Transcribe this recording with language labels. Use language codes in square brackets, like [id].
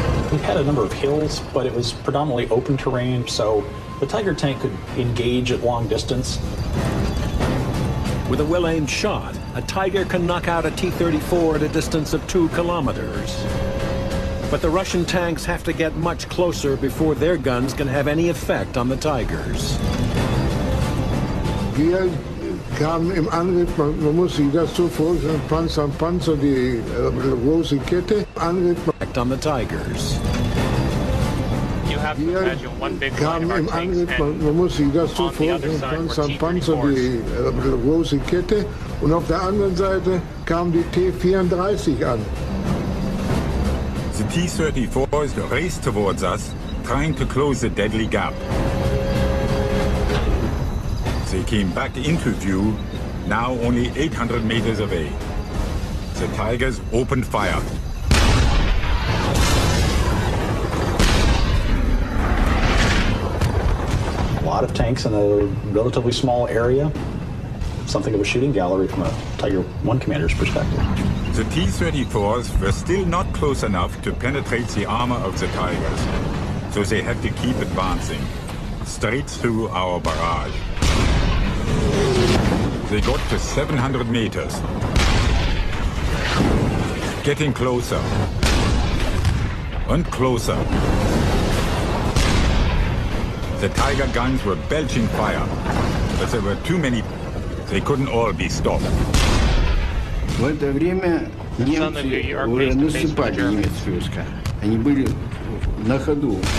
[en] We had a number of hills, but it was predominantly open terrain, so the Tiger tank could engage at long distance. With a well-aimed shot, a Tiger can knock out a T-34 at a distance of 2 kilometers. But the Russian tanks have to get much closer before their guns can have any effect on the Tigers. [de] Wir kamen im Angriff, man muss sich das so vorstellen, Panzer, Panzer, die große Kette, Angriff. [en] On the Tigers. You have to imagine one big line of our tanks and on the other side were T-34s. [de] Panzer, die große Kette, und auf der anderen Seite kam die T-34 an. [en] The T-34s raced towards us, trying to close the deadly gap. They came back into view, now only 800 meters away. The Tigers opened fire. A lot of tanks in a relatively small area. Something of a shooting gallery from a Tiger I commander's perspective. The T-34s were still not close enough to penetrate the armor of the Tigers, so they had to keep advancing, straight through our barrage. They got to 700 meters. Getting closer. And closer. The Tiger guns were belching fire, but there were too many. They couldn't all be stopped. [ru] В это время немцы уже наступали немецкие войска. Они были на ходу.